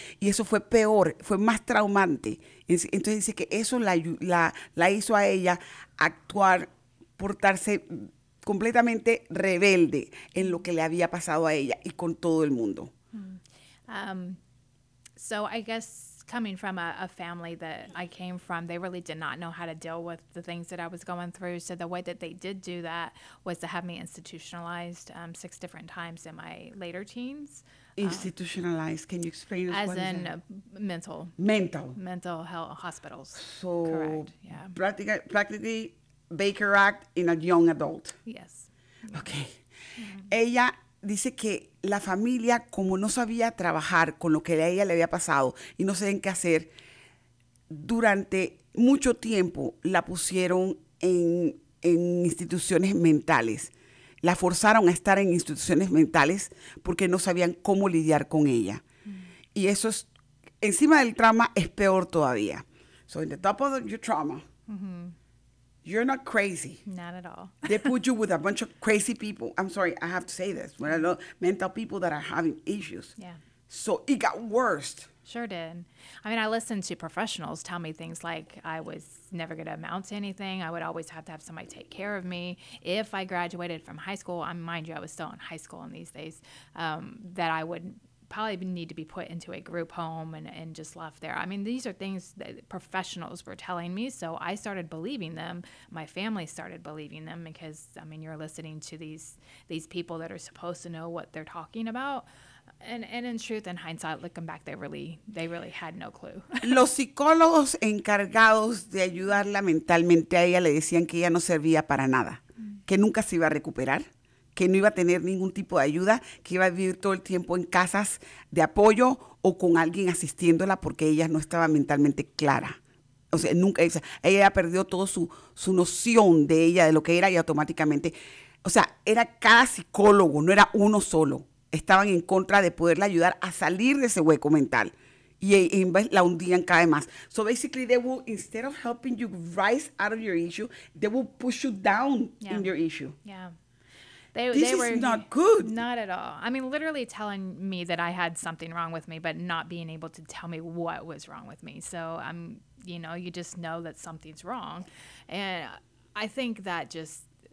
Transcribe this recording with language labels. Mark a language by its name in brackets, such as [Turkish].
[Spanish] Y eso fue peor, fue más traumante. Entonces dice que eso la hizo a ella actuar, portarse completamente rebelde en lo que le había pasado a ella y con todo el mundo. Mm. [English] So I guess coming from a family that I came from, they really did not know how to deal with the things that I was going through. So the way that they did do that was to have me institutionalized six different times in my later teens. Institutionalized. Can you explain as what in is that? Mental health hospitals. So correct. Yeah. Practically Baker Act in a young adult. Yes. Okay. Mm-hmm. [Spanish] Ella dice que la familia, como no sabía trabajar con lo que a ella le había pasado y no sabían qué hacer, durante mucho tiempo la pusieron en instituciones mentales. La forzaron a estar en instituciones mentales porque no sabían cómo lidiar con ella. Mm-hmm. Y eso es, encima del trauma, es peor todavía. [English] So, in the top of your trauma, mm-hmm. you're not crazy. Not at all. They put you with a bunch of crazy people. I'm sorry, I have to say this. But I know mental people that are having issues. Yeah. So, it got worse. Sure did. I mean, I listened to professionals tell me things like I was never going to amount to anything. I would always have to have somebody take care of me. If I graduated from high school, mind you, I was still in high school in these days, that I would probably need to be put into a group home and just left there. I mean, these are things that professionals were telling me. So I started believing them. My family started believing them because, I mean, you're listening to these people that are supposed to know what they're talking about. And in truth, in hindsight, looking back, they really had no clue. [Spanish] Los psicólogos encargados de ayudarla mentalmente a ella le decían que ella no servía para nada, que nunca se iba a recuperar, que no iba a tener ningún tipo de ayuda, que iba a vivir todo el tiempo en casas de apoyo o con alguien asistiéndola porque ella no estaba mentalmente clara. O sea, nunca, ella ya perdió toda su noción de ella, de lo que era, y automáticamente, o sea, era cada psicólogo, no era uno solo. Estaban en contra de poderla ayudar a salir de ese hueco mental. Y en vez la hundían cada vez más. [English] So basically, they will, instead of helping you rise out of your issue, they will push you down in your issue. Yeah. This is not good. Not at all. I mean, literally telling me that I had something wrong with me, but not being able to tell me what was wrong with me. So, you know, you just know that something's wrong. And I think that just...